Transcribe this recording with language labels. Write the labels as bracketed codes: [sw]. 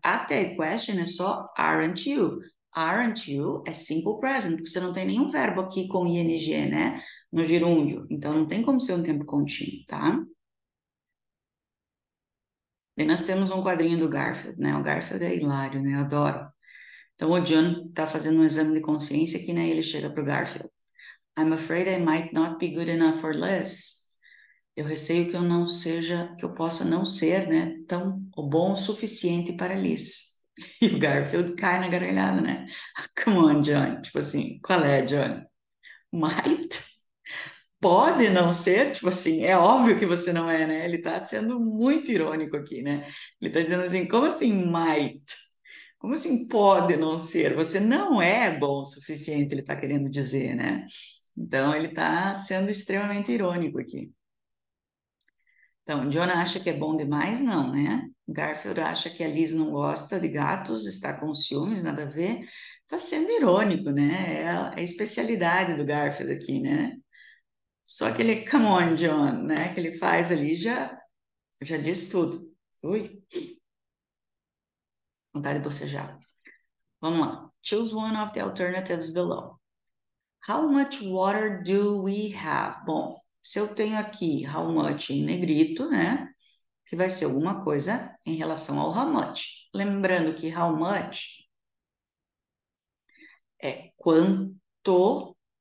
[pt] A tag question é só aren't you? Aren't you é simple present, porque você não tem nenhum verbo aqui com ing, né? No gerúndio. Então não tem como ser um tempo contínuo, tá? E nós temos um quadrinho do Garfield, né? O Garfield é hilário, né? Eu adoro. Então, o John está fazendo um exame de consciência aqui, né? Ele chega para o Garfield. [en] I'm afraid I might not be good enough for less. [pt] Eu receio que eu não seja, que eu possa não ser, né? Tão bom o suficiente para Liz. E o Garfield cai na gargalhada, né? [en] Come on, John. [pt] Tipo assim, qual é, John? Might? Pode não ser, tipo assim, é óbvio que você não é, né? Ele tá sendo muito irônico aqui, né? Ele tá dizendo assim, como assim, might? Como assim pode não ser? Você não é bom o suficiente, ele tá querendo dizer, né? Então, ele tá sendo extremamente irônico aqui. Então, Jonah acha que é bom demais? Não, né? Garfield acha que a Liz não gosta de gatos, está com ciúmes, nada a ver. Tá sendo irônico, né? É a especialidade do Garfield aqui, né? Só que ele, [en] come on, John, [pt] né? Que ele faz ali já diz tudo. Ui. Vontade de bocejar. Vamos lá. [en] Choose one of the alternatives below. How much water do we have? [pt] Bom, se eu tenho aqui how much em negrito, né? Que vai ser alguma coisa em relação ao how much. Lembrando que how much é quanto.